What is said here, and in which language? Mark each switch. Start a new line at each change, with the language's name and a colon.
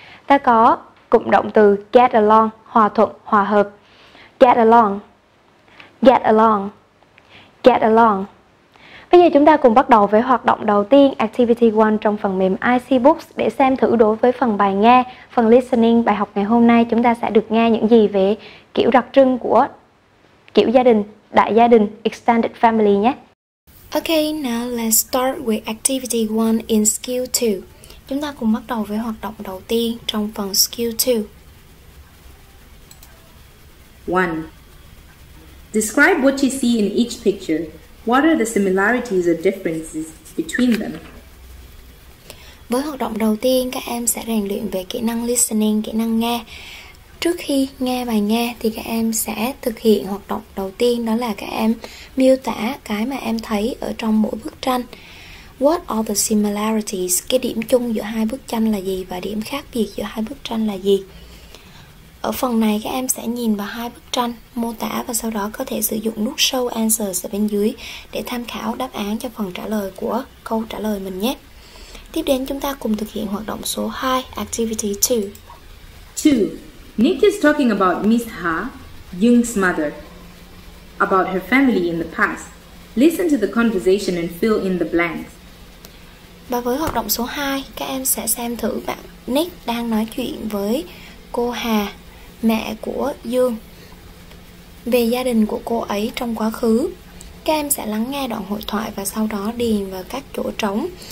Vietnamese: Ta có cụm động từ get along, hòa thuận, hòa hợp. Get along. Get along. Get along. Bây giờ chúng ta cùng bắt đầu với hoạt động đầu tiên, Activity 1 trong phần mềm IC Books, để xem thử đối với phần bài nghe, phần listening, bài học ngày hôm nay chúng ta sẽ được nghe những gì về kiểu đặc trưng của kiểu gia đình, đại gia đình,
English: extended family
Vietnamese: nhé.
English: Okay, now let's start with activity 1 in skill 2.
Vietnamese: Chúng ta cùng bắt đầu với hoạt động đầu tiên trong phần skill 2.
English: 1. Describe what you see in each picture. What are the similarities or differences between them?
Vietnamese: Với hoạt động đầu tiên, các em sẽ rèn luyện về kỹ năng listening, kỹ năng nghe. Trước khi nghe bài nghe thì các em sẽ thực hiện hoạt động đầu tiên, đó là các em miêu tả cái mà em thấy ở trong mỗi bức tranh.
English: What are the similarities?
Vietnamese: Cái điểm chung giữa hai bức tranh là gì và điểm khác biệt giữa hai bức tranh là gì? Ở phần này các em sẽ nhìn vào hai bức tranh, mô tả và sau đó có thể sử dụng nút show answers ở bên dưới để tham khảo đáp án cho phần trả lời của câu trả lời mình nhé. Tiếp đến chúng ta cùng thực hiện hoạt động số 2, activity 2.
English: 2. Nick is talking about Miss Ha, Jung's mother, about her family in the past. Listen to the conversation and fill in the blanks.
Vietnamese: Và với hoạt động số 2, các em sẽ xem thử bạn Nick đang nói chuyện với cô Hà, mẹ của Dương, về gia đình của cô ấy trong quá khứ. Các em sẽ lắng nghe đoạn hội thoại và sau đó điền vào các chỗ trống.